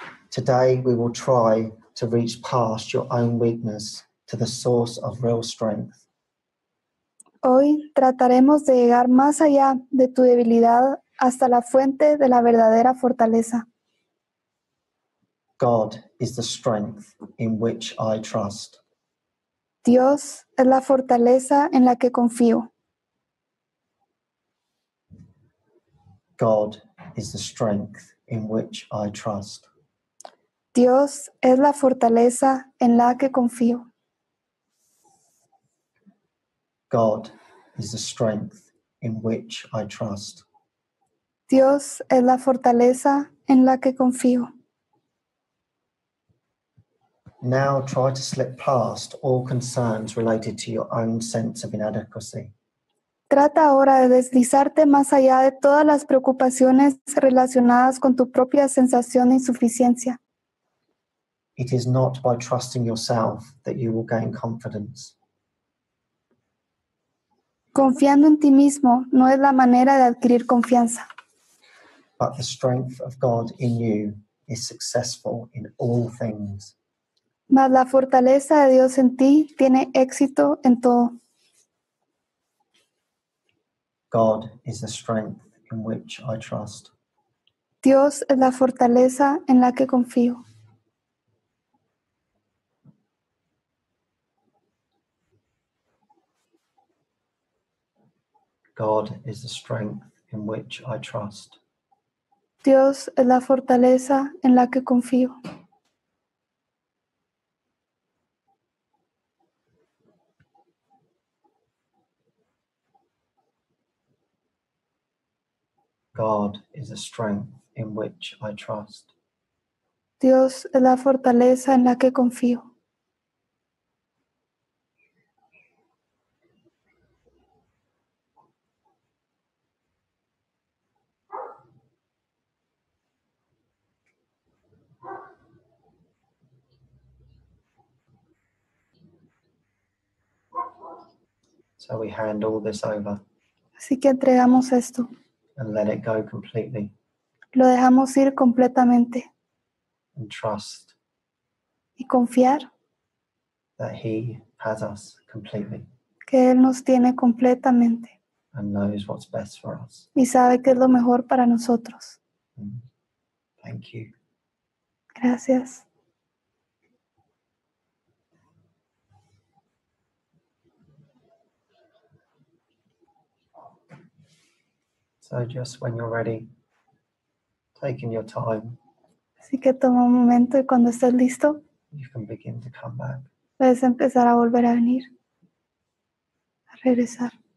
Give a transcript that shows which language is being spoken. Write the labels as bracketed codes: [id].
[en] Today we will try to reach past your own weakness to the source of real strength. [es] Hoy trataremos de llegar más allá de tu debilidad hasta la fuente de la verdadera fortaleza. [en] God is the strength in which I trust. [es] Dios es la fortaleza en la que confío. [en] God is the strength in which I trust. [es] Dios es la fortaleza en la que confío. [en] God is the strength in which I trust. [es] Dios es la fortaleza en la que confío. [en] Now try to slip past all concerns related to your own sense of inadequacy. [es] Trata ahora de deslizarte más allá de todas las preocupaciones relacionadas con tu propia sensación de insuficiencia. [en] It is not by trusting yourself that you will gain confidence. [es] Confiando en ti mismo no es la manera de adquirir confianza. [en] But the strength of God in you is successful in all things. [es] Mas la fortaleza de Dios en ti tiene éxito en todo. [en] God is the strength in which I trust. [es] Dios es la fortaleza en la que confío. [en] God is the strength in which I trust. [es] Dios es la fortaleza en la que confío. [en] God is the strength in which I trust. [es] Dios es la fortaleza en la que confío. [en] So we hand all this over. [es] Así que entregamos esto. [en] And let it go completely. [es] Lo dejamos ir completamente. [en] And trust. [es] Y confiar. [en] That he has us completely. [es] Que él nos tiene completamente. [en] And knows what's best for us. [es] Y sabe qué es lo mejor para nosotros. [en] Thank you. [es] Gracias. [en] So just when you're ready, taking your time. [es] Así que toma un momento y cuando estés listo, [en] you can begin to come back. [es] Puedes empezar a volver a venir, a regresar.